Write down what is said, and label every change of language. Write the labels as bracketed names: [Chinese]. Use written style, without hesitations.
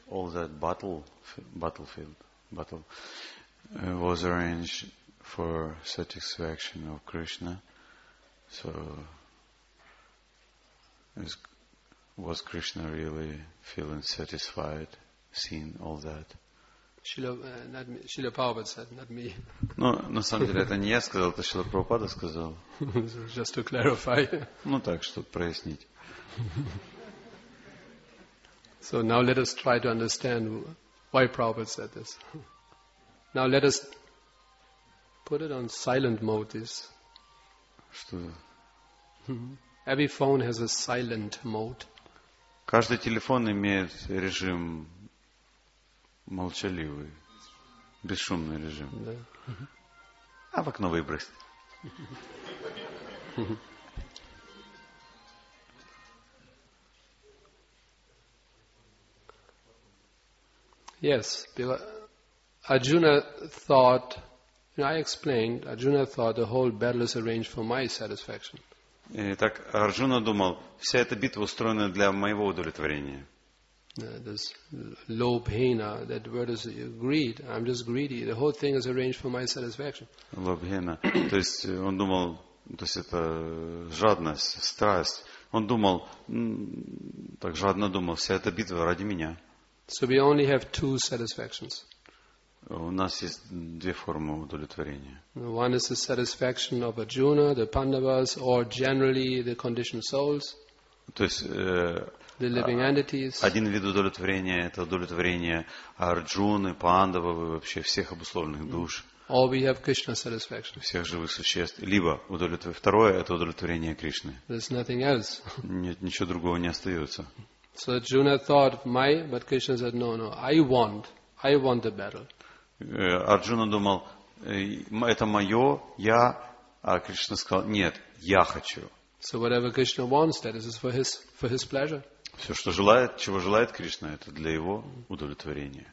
[English] All that battlefield was arranged for satisfaction of Krishna. So, was Krishna really feeling satisfied seeing all that? Шрила Прабхупада said, not me. [Russian] Ну, на самом деле, это не я сказал, это Шрила Прабхупада сказал. [English] Just to clarify. [Russian] Ну, так, чтобы прояснить. [English] So now let us try to understand why Prabhupada said this. Now let us put it on silent mode, this. [Russian] Что? [English] Every phone has a silent mode. [Russian] Каждый телефон имеет режим молчаливый, бесшумный режим. Да. А в окно выбрось. [English] Yes, Arjuna thought, you know, I explained, Arjuna thought the whole battle is arranged for my satisfaction. [Russian] Итак, Арджуна думал, вся эта битва устроена для моего удовлетворения. [English] This lobhena, that word is greed. I'm just greedy. The whole thing is arranged for my satisfaction. [Russian] Лобхена. То есть он думал, то есть это жадность, страсть. Он думал, так жадно думал, вся эта битва ради меня. [English] So we only have two satisfactions. [Russian] У нас есть две формы удовлетворения. [English] One is the satisfaction of Arjuna, the Pandavas, or generally the conditioned souls. [Russian] То есть, [English] the living entities. [Russian] Один вид удовлетворения – это удовлетворение Арджуны, Пандавы, вообще всех обусловленных душ. [English] Or we have Krishna satisfaction. [Russian] Всех живых существ. Либо удовлетворение. Второе – это удовлетворение Кришны. [English] There's nothing else. [Russian] Нет, ничего другого не остается. [English] So Arjuna thought, my, but Krishna said, no, no, I want the battle. [Russian] Арджуна думал, это мое, я, а Кришна сказал, нет, я хочу. [English] So whatever Krishna wants, that is for his pleasure. [Russian] Все, что желает, чего желает Кришна, это для его удовлетворения.